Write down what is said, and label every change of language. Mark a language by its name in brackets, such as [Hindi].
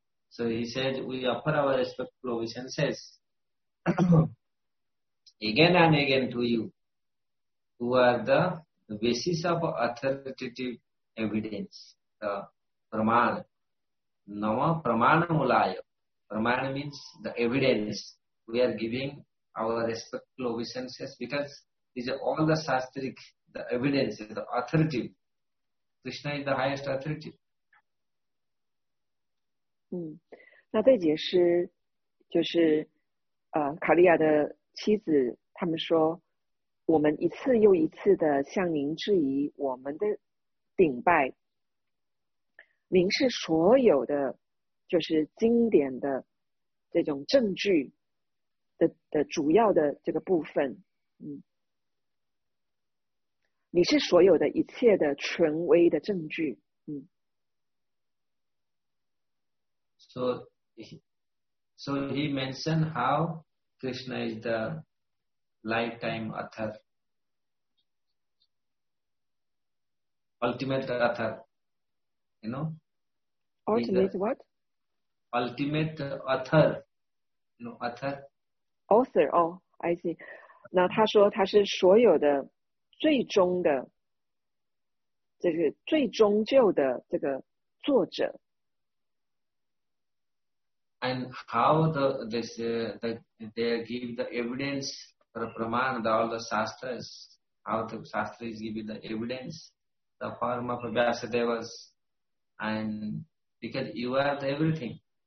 [English] So he said, we offer our respectful obeisances again and again to you, who are the basis of authoritative evidence, the Pramana. [Sanskrit] Namaha Pramana Mulaya. [English] Pramana means the evidence. We are giving our respectful obeisances because these are all the shastric, the evidence, the authority. Krishna is the highest authority. [Chinese] 那这节诗就是卡利亚的妻子他们说，我们一次又一次的向您质疑我们的顶拜，您是所有的就是经典的这种证据的主要的这个部分，你是所有的一切的权威的证据， [English] So he mentioned how Krishna is the lifetime author, ultimate author, you know. Ultimate the, what? Ultimate author, you know, author. Author, oh, I see. [Chinese] 那他说他是所有的最终的这个最终究的这个作者。 [English] And how they give the evidence for Pramana, all the Shastras, how the Shastras give you the evidence, the form of Vyasadevas, and because you are the everything.